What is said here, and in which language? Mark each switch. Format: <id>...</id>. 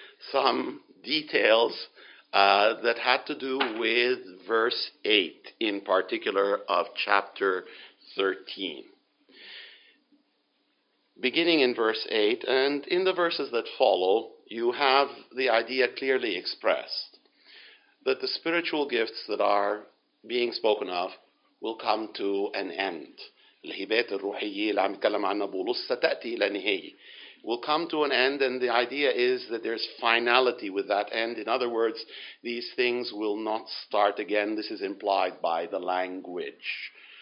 <en>Some details that had to do with verse 8, in particular of chapter 13. Beginning in verse 8, and in the verses that follow, you have the idea clearly expressed that the spiritual gifts that are being spoken of will come to an end.</en> <ar>الهبات الروحية اللي عم يتكلم عنها بولس ستأتي إلى نهاية.</ar> <en>Will come to an end, and the idea is that there's finality with that end. In other words, these things will not start again. This is implied by the language.</en>